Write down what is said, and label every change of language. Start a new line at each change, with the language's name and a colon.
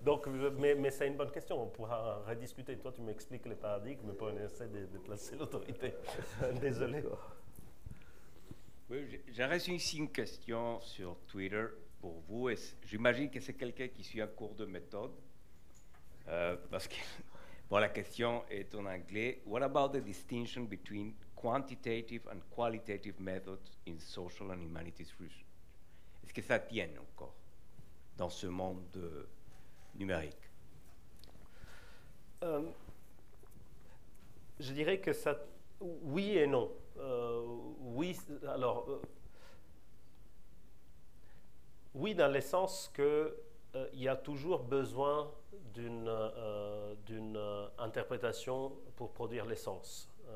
French: Donc, mais c'est une bonne question, on pourra rediscuter. Toi, tu m'expliques les paradigmes pour essayer de placer l'autorité. Désolé. Oui, j'ai reçu ici une question sur Twitter pour vous. J'imagine que c'est quelqu'un qui suit un cours de méthode. Parce que bon, la question est en anglais.
English: What about the distinction between quantitative and qualitative methods in social and humanities research?
French: Est-ce que ça tient encore dans ce monde numérique? Je dirais que ça, oui et non. Oui, alors oui, dans le sens que il y a toujours besoin d'une interprétation pour produire l'essence.